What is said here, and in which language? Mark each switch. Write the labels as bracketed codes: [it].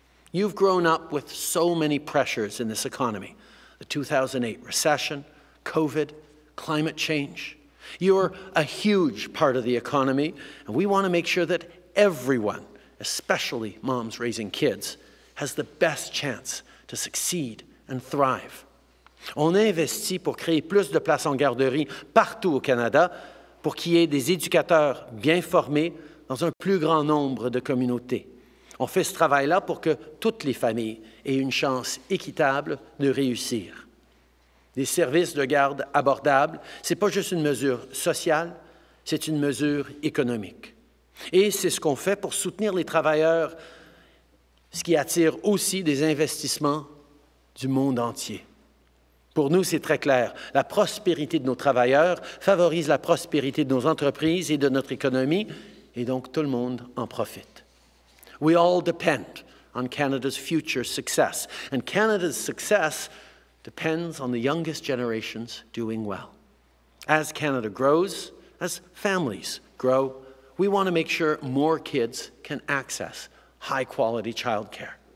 [en] You've grown up with so many pressures in this economy, the 2008 recession, COVID, climate change. You're a huge part of the economy, and we want to make sure that everyone, especially moms raising kids, has the best chance to succeed and thrive. [fr] On investit pour créer plus de places en garderie partout au Canada pour qu'il y ait des éducateurs bien formés dans un plus grand nombre de communautés. On fait ce travail-là pour que toutes les familles aient une chance équitable de réussir. Des services de garde abordables, ce n'est pas juste une mesure sociale, c'est une mesure économique. Et c'est ce qu'on fait pour soutenir les travailleurs, ce qui attire aussi des investissements du monde entier. Pour nous, c'est très clair, la prospérité de nos travailleurs favorise la prospérité de nos entreprises et de notre économie, Et donc tout le monde en profite. [en] We all depend on Canada's future success, and Canada's success depends on the youngest generations doing well. As Canada grows, as families grow, we want to make sure more kids can access high-quality childcare.